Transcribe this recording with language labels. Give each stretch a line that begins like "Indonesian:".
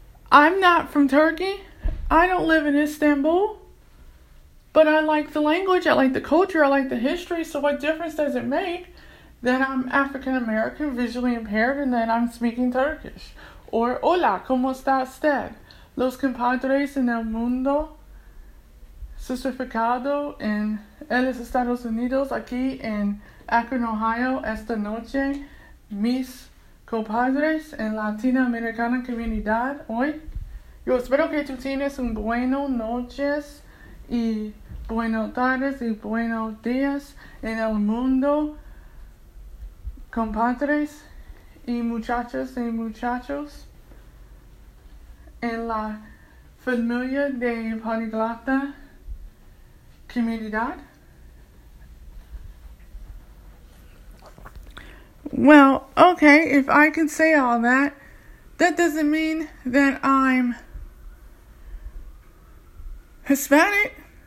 English: I'm not from Turkey. I don't live in Istanbul. But I like the language, I like the culture, I like the history. So what difference does it make that I'm African American, visually impaired, and that I'm speaking Turkish?
Spanish: Or, hola, ¿cómo está usted? Los compadres en el mundo, certificado en los Estados Unidos, aquí en Akron, Ohio, esta noche, mis compadres en Latinoamericana comunidad hoy. Yo espero que tú tienes un bueno noches y buenas tardes y buenos días en el mundo, compadres y muchachos, en la familia de Poliglota Comunidad.
English: Well, okay, if I can say all that, that doesn't mean that I'm Hispanic.